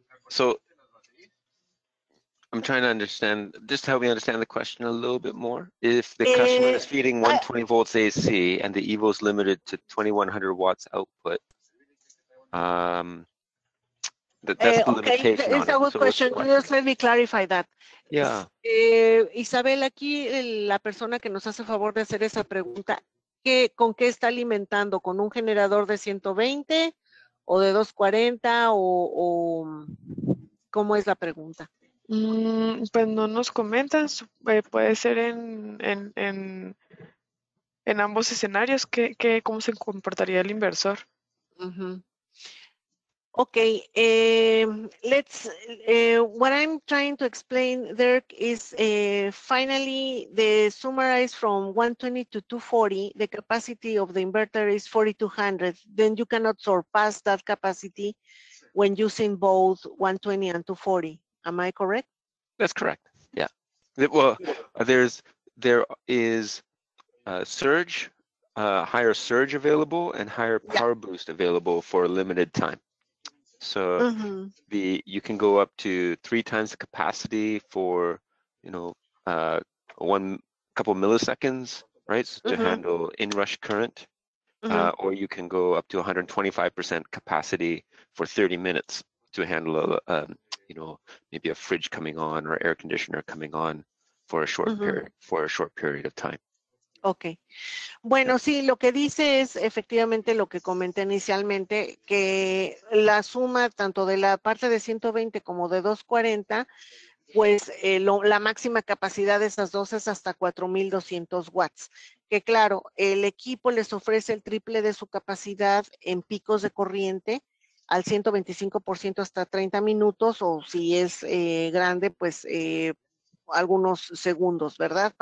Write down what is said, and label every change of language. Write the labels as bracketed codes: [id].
[en] So I'm trying to understand, just to help me understand the question a little bit more. If the customer is feeding 120 volts AC and the Evo is limited to 2100 watts output, that's the limitation. It's a good question. Just let me clarify that. Yeah. [es] Isabel, aquí la persona que nos hace favor de hacer esa pregunta, ¿qué, con qué está alimentando? ¿Con un generador de 120 o de 240? ¿O cómo es la pregunta? Pues no nos comentas, puede ser en ambos escenarios, ¿cómo se comportaría el inversor? Uh-huh. [en] Okay, what I'm trying to explain, Dirk, is finally the summarize from 120 to 240, the capacity of the inverter is 4200, then you cannot surpass that capacity when using both 120 and 240. Am I correct? That's correct. Yeah. Well, there is a surge, higher surge available and higher power boost available for a limited time. So you can go up to three times the capacity for, you know, couple milliseconds, right? So to handle inrush current, or you can go up to 125% capacity for 30 minutes to handle you know, maybe a fridge coming on or air conditioner coming on for a short period of time. Okay. [es] Bueno, sí, lo que dice es efectivamente lo que comenté inicialmente, que la suma tanto de la parte de 120 como de 240, pues la máxima capacidad de esas dos es hasta 4200 watts. Que claro, el equipo les ofrece el triple de su capacidad en picos de corriente, al 125% hasta 30 minutos, o si es grande, pues algunos segundos, ¿verdad?